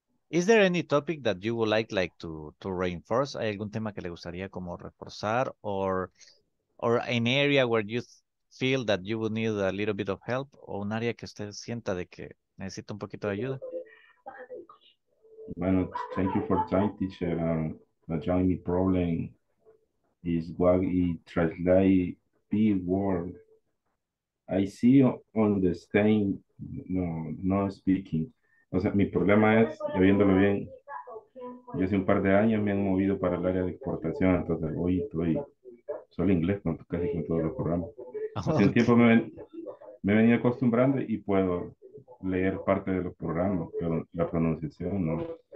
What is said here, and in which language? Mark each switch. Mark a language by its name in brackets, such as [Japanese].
[English] Is there any topic that you would like to reinforce? [Spanish] ¿Hay algún tema que le gustaría como reforzar? [English] Or an area where you feel that you would need a little bit of help, [Spanish] o un área que usted sienta de que necesita un poquito de ayuda. [English] Bueno, thank you for time, teacher. The only problem is what it translates B word. I see on the screen, no speaking. [Spanish] O sea, mi problema es, viéndolo bien, yo hace un par de años me han movido para el área de exportación, entonces hoy estoy solo inglés, casi con todos los programas. Hace un tiempo me he venido acostumbrando y puedo leer parte de los programas, pero la pronunciación no.